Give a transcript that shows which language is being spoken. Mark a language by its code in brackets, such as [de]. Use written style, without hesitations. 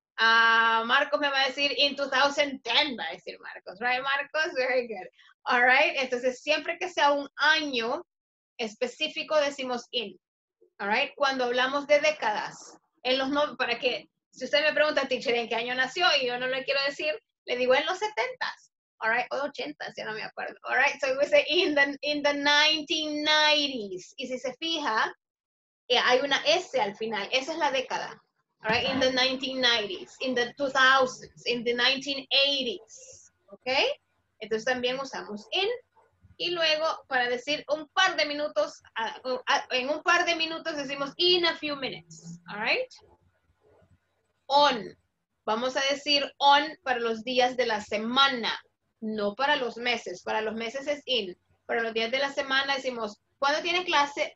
[es] Marcos me va a decir [en] in 2010, [es] va a decir Marcos. [en] Right, Marcos? Very good. All right. [es] Entonces, siempre que sea un año específico, decimos in. [en] All right. [es] Cuando hablamos de décadas, en los no, para que, si usted me pregunta, teacher, ¿en qué año nació? Y yo no le quiero decir, le digo en los 70s. [en] All right, [es] o 80s, ya no me acuerdo. [en] All right, so we say in the 1990s. [es] Y si se fija, hay una S al final. Esa es la década. [en] All right, in the 1990s, in the 2000s, in the 1980s. [es] ¿Ok? Entonces también usamos in. Y luego, para decir un par de minutos, en un par de minutos decimos [en] in a few minutes. All right? On. [es] Vamos a decir on para los días de la semana. No para los meses. Para los meses es in. Para los días de la semana decimos, ¿cuándo tiene clase?